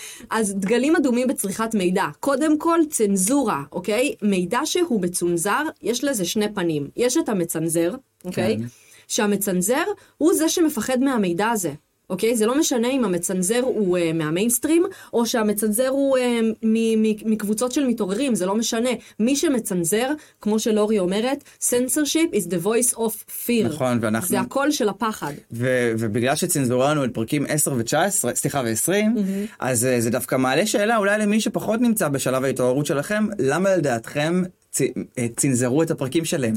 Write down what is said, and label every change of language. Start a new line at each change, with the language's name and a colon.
Hebrew: אז דגלים אדומים בצריכת מידע. קודם כל, צנזורה, אוקיי? מידע שהוא מצונזר, יש לזה שני פנים. יש את המצנזר, אוקיי? כן. שהמצנזר הוא זה שמפחד מהמידע הזה, אוקיי? זה לא משנה אם המצנזר הוא מהמיינסטרים, או שהמצנזר הוא מקבוצות של מתעוררים, זה לא משנה. מי שמצנזר, כמו שלורי אומרת,
English: censorship is the voice of fear.
Hebrew: נכון, ואנחנו... זה הכל של הפחד. ובגלל שצנזורנו את פרקים 10 ו-19, סליחה, ו-20, אז זה דווקא מעלה שאלה, אולי למי שפחות נמצא בשלב ההתעוררות שלכם, למה לדעתכם צנזרו את הפרקים שלהם.